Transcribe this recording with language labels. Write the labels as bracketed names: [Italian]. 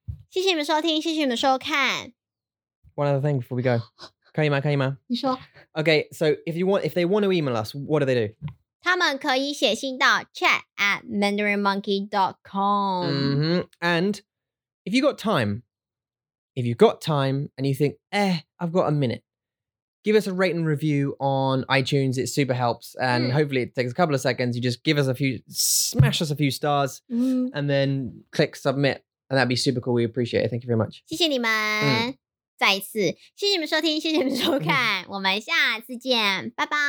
[Chinese] 谢谢你们收听, 谢谢你们收看. [English] One other thing before we go. [Chinese] 可以吗?可以吗? 你说. [English] Okay, so if they want to email us, what do they do? [Chinese] 他们可以写信到 chat@mandarinmonkey.com. Mm-hmm. [English] And if you got time, if you've got time and you think, I've got a minute, give us a rate and review on iTunes. It super helps. And hopefully it takes a couple of seconds. You just give us a few, smash us a few stars and then click submit. And that'd be super cool. We appreciate it. Thank you very much. [Chinese] 谢谢你们。再一次,谢谢你们收听,谢谢你们收看。我们下次见。拜拜。